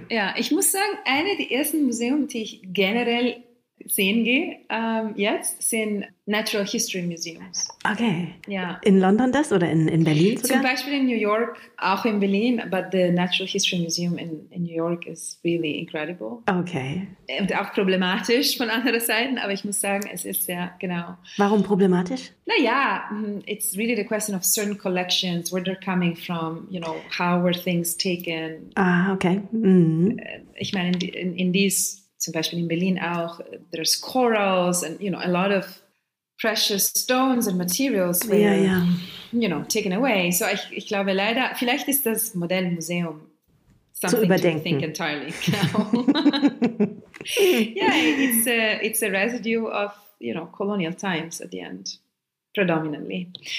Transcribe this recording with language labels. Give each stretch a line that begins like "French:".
German: Ja, ich muss sagen, eine der ersten Museen, die ich generell sehen gehe, jetzt, sind Natural History Museums. Okay. Ja. In London das oder in Berlin sogar? Zum Beispiel in New York, auch in Berlin,
English: but the Natural History Museum in New York is really incredible. Okay.
German: Und auch problematisch von anderen Seiten, aber ich muss sagen, es ist sehr, genau. Warum problematisch?
English: Naja, it's really the question of certain collections, where they're coming from, how were things taken. Ah, okay.
German: Ich meine,
English: in these
German: zum Beispiel in Berlin auch,
English: there's corals and, a lot of precious stones and materials were, taken away.
German: So ich glaube leider, vielleicht ist das moderne Museum
English: something
German: zu überdenken.
English: To think entirely.
German: Genau.
English: Yeah, it's a residue of, colonial times at the end, predominantly.